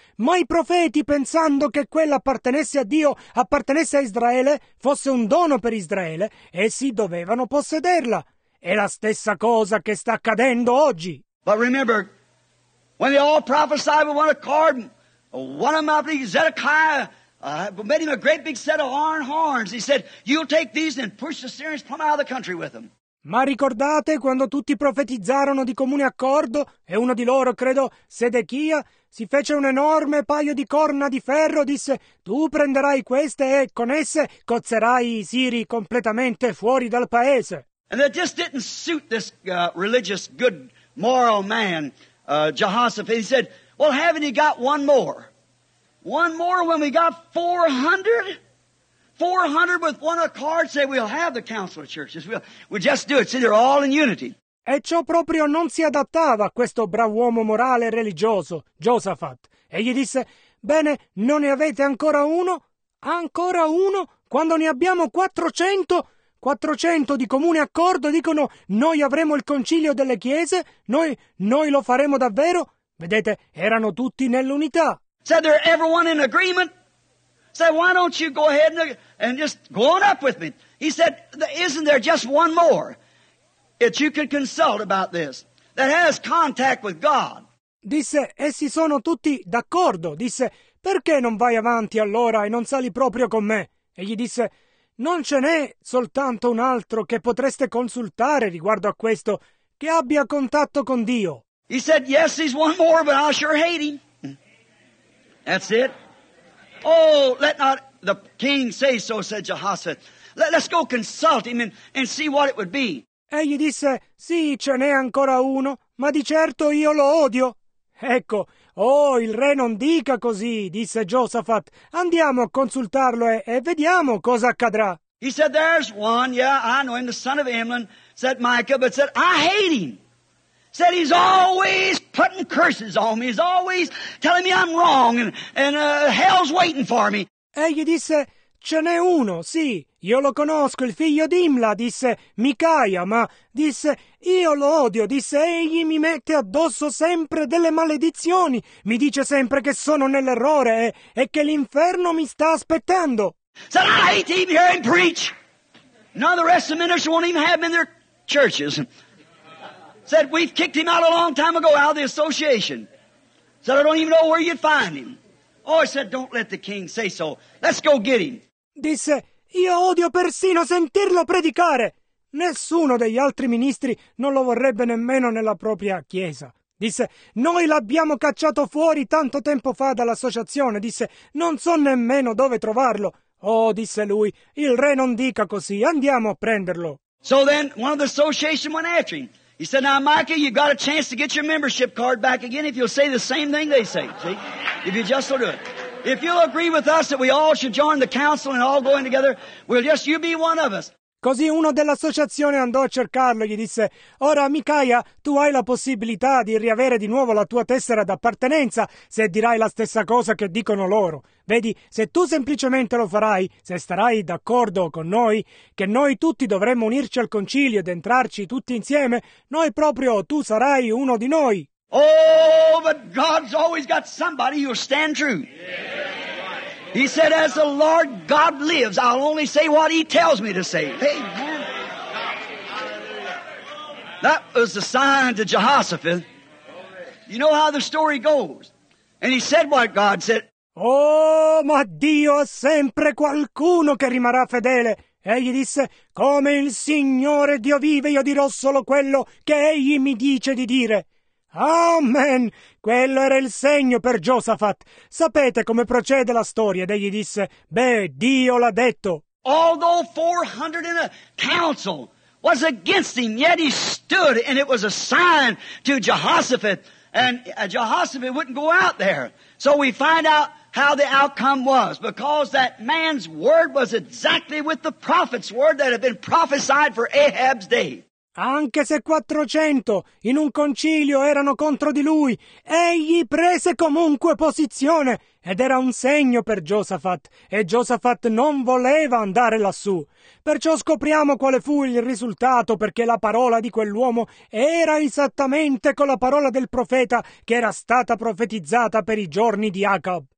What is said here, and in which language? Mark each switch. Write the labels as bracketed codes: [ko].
[it] Ma i profeti, pensando che quella appartenesse a Dio, appartenesse a Israele, fosse un dono per Israele, essi dovevano possederla. È la stessa cosa che sta accadendo oggi. [en] But remember, when they all prophesied with one accord, one of them, I believe, Zedekiah, made him a great big set of iron horns. He said, you'll take these and push the Syrians plumb out of the country with them. [it] Ma ricordate quando tutti profetizzarono di comune accordo, e uno di loro, credo, Sedechia, si fece un enorme paio di corna di ferro, disse, tu prenderai queste e con esse cozzerai i Siri completamente fuori dal paese. [en] And that just didn't suit this religious, good, moral man, Jehoshaphat. He said, well, haven't you got one more? One more when we got 400? 400 with one accord say we'll have the council of churches. We'll just do it. See, they're all in unity. [it] E ciò proprio non si adattava a questo brav'uomo morale e religioso, Josaphat. E gli disse, bene, non ne avete ancora uno? Ancora uno? Quando ne abbiamo 400? 400 di comune accordo dicono, noi avremo il concilio delle chiese? Noi lo faremo davvero? Vedete, erano tutti nell'unità. [en] Said they're everyone in agreement. Said, why don't you go ahead and just go on up with me? He said, isn't there just one more that you could consult about this that has contact with God? [it] Disse, essi sono tutti d'accordo. Disse, perché non vai avanti allora e non sali proprio con me? E gli disse, non ce n'è soltanto un altro che potreste consultare riguardo a questo che abbia contatto con Dio. [en] He said, yes, he's one more, but I sure hate him. That's it. Oh, let not the king say so, said Jehoshaphat. Let's go consult him and see what it would be. [it] Egli disse, sì, ce n'è ancora uno, ma di certo io lo odio. Ecco, oh, il re non dica così, disse Jehoshaphat. Andiamo a consultarlo e vediamo cosa accadrà. [en] He said, there's one, yeah, I know him, the son of Imlan, said Micah, but said, I hate him. Said he's always putting curses on me. He's always telling me I'm wrong and hell's waiting for me. [it] Egli disse, «Ce n'è uno, sì, io lo conosco, il figlio d'Imla», disse Micaia, «ma», disse, «io lo odio», disse, «egli mi mette addosso sempre delle maledizioni, mi dice sempre che sono nell'errore e che l'inferno mi sta aspettando». [en] «So I hate to even hear him preach! Now the rest of the ministers won't even have him in their churches. Said, we've kicked him out a long time ago out of the association. Said, I don't even know where you'd find him. Oh, I said, don't let the king say so. Let's go get him». [it] Disse, io odio persino sentirlo predicare. Nessuno degli altri ministri non lo vorrebbe nemmeno nella propria chiesa. Disse, noi l'abbiamo cacciato fuori tanto tempo fa dall'associazione. Disse, non so nemmeno dove trovarlo. Oh, disse lui, il re non dica così, andiamo a prenderlo. [en] So then one of the association went after him. He said, now, Micah, you've got a chance to get your membership card back again if you'll say the same thing they say. See? If you just will do it. If you'll agree with us that we all should join the council and all go in together, we'll just, you be one of us. [it] Così uno dell'associazione andò a cercarlo e gli disse, ora, Micaia, tu hai la possibilità di riavere di nuovo la tua tessera d'appartenenza se dirai la stessa cosa che dicono loro. Vedi, se tu semplicemente lo farai, se starai d'accordo con noi, che noi tutti dovremmo unirci al concilio ed entrarci tutti insieme, noi proprio tu sarai uno di noi. [en] Oh, but God's always got somebody who'll stand true. Yeah. He said, as the Lord God lives, I'll only say what he tells me to say. Amen. That was the sign to Jehoshaphat. You know how the story goes. And he said what God said. [it] Oh, ma Dio ha sempre qualcuno che rimarrà fedele. Egli disse, come il Signore Dio vive, io dirò solo quello che egli mi dice di dire. Amen! Quello era il segno per Giosafat. Sapete come procede la storia? Ed egli disse, beh, Dio l'ha detto. [en] Although 400 in a council was against him, yet he stood, and it was a sign to Jehoshaphat, and Jehoshaphat wouldn't go out there. So we find out how the outcome was, because that man's word was exactly with the prophet's word that had been prophesied for Ahab's day. [it] Anche se 400 in un concilio erano contro di lui, egli prese comunque posizione ed era un segno per Giosafat, e Giosafat non voleva andare lassù. Perciò scopriamo quale fu il risultato, perché la parola di quell'uomo era esattamente con la parola del profeta che era stata profetizzata per i giorni di Acab.